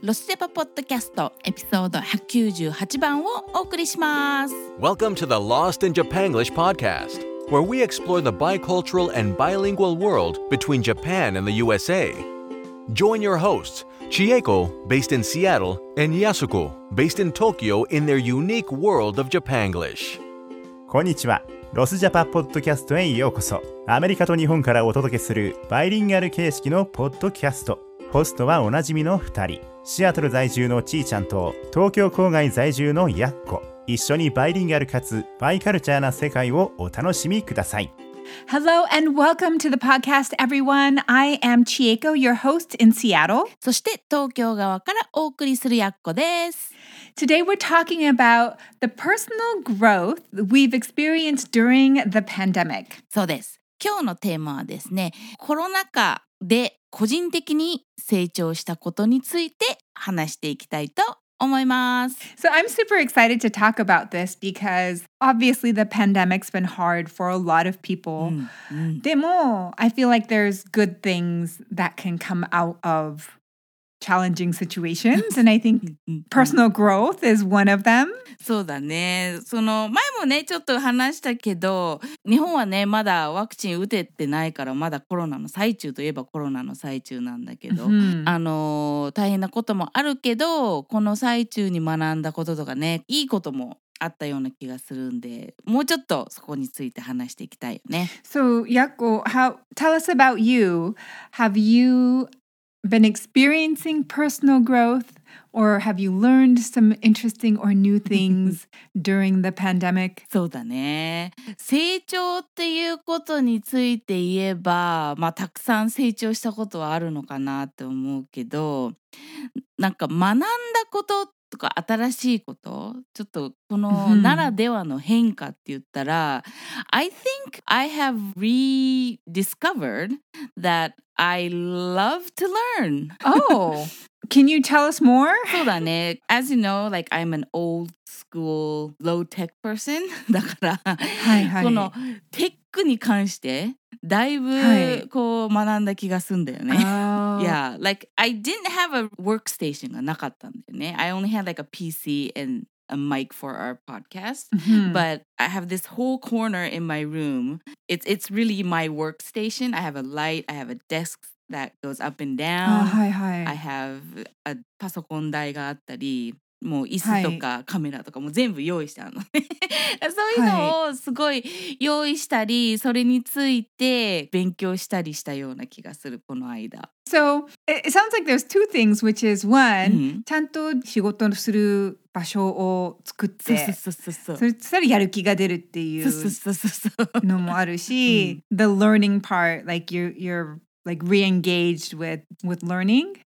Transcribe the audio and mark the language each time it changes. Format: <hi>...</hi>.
<ja>ロステパポッドキャスト、エピソード198番をお送りします。</ja> <en>Welcome to the Lost in Japan English podcast, where we explore the bicultural and bilingual world between Japan and the USA. Join your hosts, Chieko, based in Seattle, and Yasuko, based in Tokyo, in their unique world of Japanglish.</en> <ja>こんにちは。ロスジャパポッドキャストへようこそ。アメリカと日本からお届けするバイリンガル形式のポッドキャスト。ホストはおなじみの2人、シアトル在住のちーちゃんと東京郊外在住のやっこ。一緒にバイリンガルかつバイカルチャーな世界をお楽しみください。</ja> <en>Hello and welcome to the podcast, everyone. I am Chieko, your host in Seattle.</en> <ja>そして東京側からお送りするやっこです。</ja> <en>Today we're talking about the personal growth we've experienced during the pandemic.</en> <ja>そうです。今日のテーマはですね、コロナ禍で個人的に成長したことについて話していきたいと思います。</ja> <en>So I'm super excited to talk about this because obviously the pandemic's been hard for a lot of people.</en> <ja>うん、うん、でも、</ja> <en>I feel like there's good things that can come out of challenging situations. And I think personal growth is one of them.</en> <ja>そうだね。その前もね、ちょっと話したけど、日本はね、まだワクチン打ててないから、まだコロナの最中といえばコロナの最中なんだけど、あの、大変なこともあるけど、この最中に学んだこととかね、いいこともあったような気がするんで、もうちょっとそこについて話していきたいよね。</ja> <en>So, Yakko, tell us about you. Have you... been experiencing personal growth or have you learned some interesting or new things during the pandemic?</en> <ja>そうだね。成長っていうことについて言えば、まあたくさん成長したことはあるのかなって思うけど、なんか学んだこととか新しいこと、ちょっとこのならではの変化って言ったら、</ja> <en>I think I have rediscovered that I love to learn. Oh, can you tell us more?</en> <ja>そうだね。</ja> <en>As you know, like I'm an old school, low tech person.</en> <ja>だから、はいはい、このテックに関してだいぶこう学んだ気がするんだよね。</ja> <en>Oh. Yeah, like I didn't have a workstation</en> <ja>がなかったんだよね。</ja> <en>I only had like a PC and a mic for our podcast. But I have this whole corner in my room. It's really my workstation. I have a light, I have a desk that goes up and down. Oh, hi, hi. I have a</en> <ja>パソコン台があったり、もう椅子とかカメラとかも全部用意してあるのね。そういうのをすごい用意したり、それについて勉強したりしたような気がする、この間。</ja> <en>So, it sounds like there's two things, which is one,</en> <ja>ちゃんと仕事する場所を作って、それしたらやる気が出るっていうのもあるし、</ja> <en>the learning part, like you're like re-engaged with learning.</en>